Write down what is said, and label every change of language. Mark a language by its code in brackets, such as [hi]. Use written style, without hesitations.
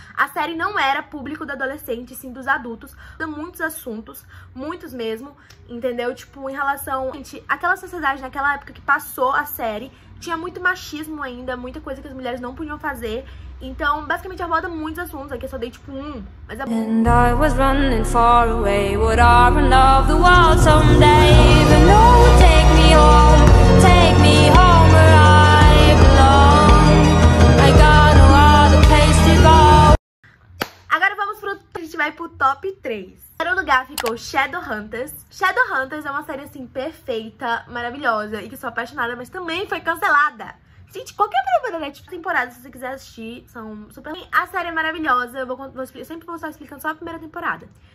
[pt] A série não era público do adolescente, sim dos adultos. Tem muitos assuntos, muitos mesmo, entendeu? Tipo, em relação... Gente, aquela sociedade naquela época que passou a série... Tinha muito machismo ainda, muita coisa que as mulheres não podiam fazer. Então, basicamente, aborda muitos assuntos. Aqui eu só dei, tipo, mas é bom. [en] And I was running far away. Would I run off the world someday? Even though it take me home, take me home where I belong. I got no other place to go. [pt] Agora vamos pro... A gente vai pro top 3. Em primeiro lugar ficou Shadowhunters. Shadowhunters é uma série, assim, perfeita, maravilhosa e que sou apaixonada, mas também foi cancelada. Gente, qualquer problema, né? Tipo, temporada, se você quiser assistir, são super... A série é maravilhosa, eu sempre vou estar explicando só a primeira temporada.